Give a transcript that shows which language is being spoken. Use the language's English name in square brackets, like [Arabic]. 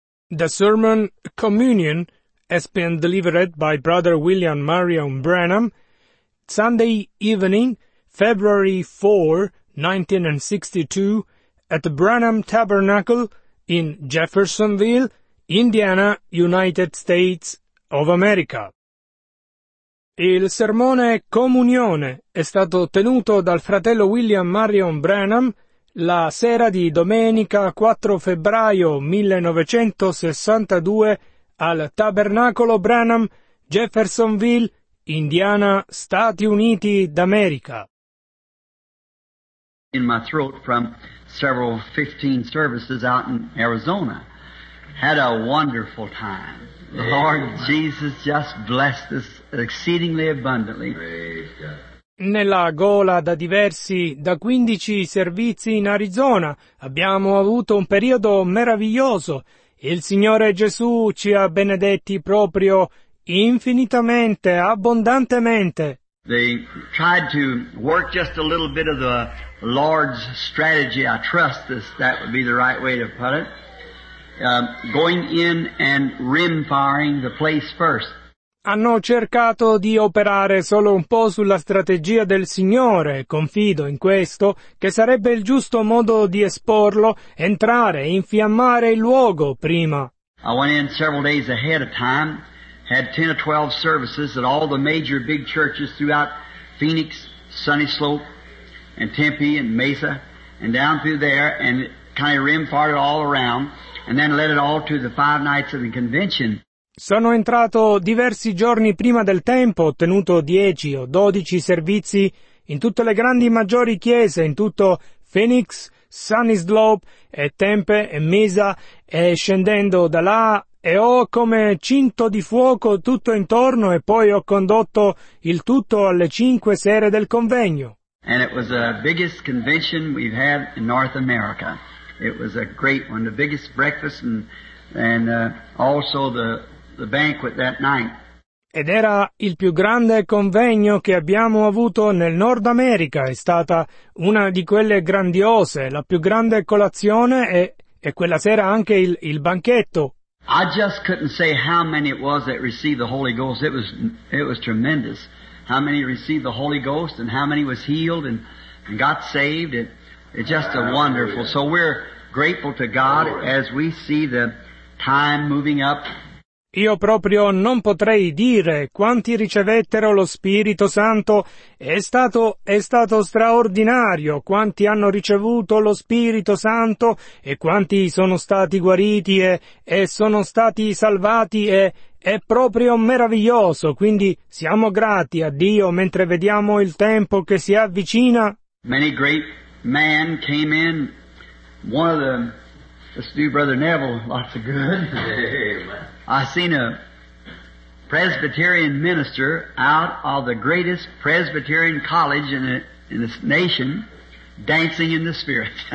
[English] The sermon Communion has been delivered by Brother William Marion Branham, Sunday evening, February 4, 1962, at the Branham Tabernacle in Jeffersonville, Indiana, United States of America. [Italian] Il sermone Comunione è stato tenuto dal fratello William Marion Branham la sera di domenica 4 febbraio 1962 al Tabernacolo Branham, Jeffersonville, Indiana, Stati Uniti d'America. [English] In my throat from several 15 services out in Arizona. Had a wonderful time. The Lord Jesus just blessed us exceedingly abundantly. [Italian] Nella gola da diversi, da 15 servizi in Arizona, abbiamo avuto un periodo meraviglioso. Il Signore Gesù ci ha benedetti proprio infinitamente, abbondantemente. [English] They tried to work just a little bit of the Lord's strategy, I trust this, that would be the right way to put it, going in and rim-firing the place first. [Italian] Hanno cercato di operare solo un po' sulla strategia del Signore, confido in questo, che sarebbe il giusto modo di esporlo, entrare e infiammare il luogo prima. [English] I went in several days ahead of time, had 10 or 12 services at all the major big churches throughout Phoenix, Sunny Slope, and Tempe and Mesa, and down through there, and kind of rim-farted all around, and then led it all to the five nights of the convention. [Italian] Sono entrato diversi giorni prima del tempo, ho tenuto 10 o 12 servizi in tutte le grandi maggiori chiese, in tutto Phoenix, Sunny Slope e Tempe e Mesa, e scendendo da là e ho come cinto di fuoco tutto intorno e poi ho condotto il tutto alle 5 sere del convegno. [English] And it was the biggest convention we've had in North America. It was a great one, the biggest breakfast and also the banquet that night. [Italian] Ed era il più grande convegno che abbiamo avuto nel Nord America. È stata una di quelle grandiose, la più grande colazione e quella sera anche il banchetto. [English] I just couldn't say how many it was that received the Holy Ghost. It was tremendous. How many received the Holy Ghost and how many was healed and got saved. It's just a wonderful. So we're grateful to God as we see the time moving up. [Italian] Io proprio non potrei dire quanti ricevettero lo Spirito Santo. È stato straordinario quanti hanno ricevuto lo Spirito Santo e quanti sono stati guariti e sono stati salvati e è proprio meraviglioso, quindi siamo grati a Dio mentre vediamo il tempo che si avvicina. [English] Many great men came in, one of them, this new brother Neville, lots of good. I seen a Presbyterian minister out of the greatest Presbyterian college in this nation, dancing in the Spirit.